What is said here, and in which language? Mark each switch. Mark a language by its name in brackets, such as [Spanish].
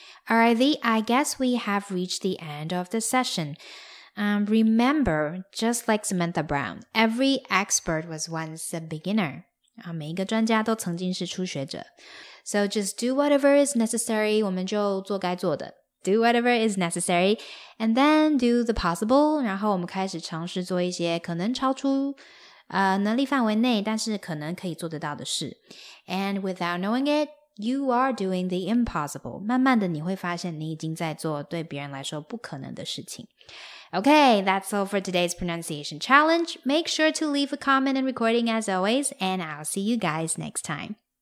[English] Alrighty, I guess we have reached the end of the session Remember, just like Samantha Brown Every expert was once a beginner [Chinese] 每一个专家都曾经是初学者 [English] So just do whatever is necessary, [Chinese] 我们就做该做的。 [English] Do whatever is necessary, and then do the possible, [Chinese] 然后我们开始尝试做一些可能超出能力范围内但是可能可以做得到的事。 [English] And without knowing it, you are doing the impossible. [Chinese] 慢慢的你会发现你已经在做对别人来说不可能的事情。 [English] Okay, that's all for today's pronunciation challenge. Make sure to leave a comment and recording as always, and I'll see you guys next time.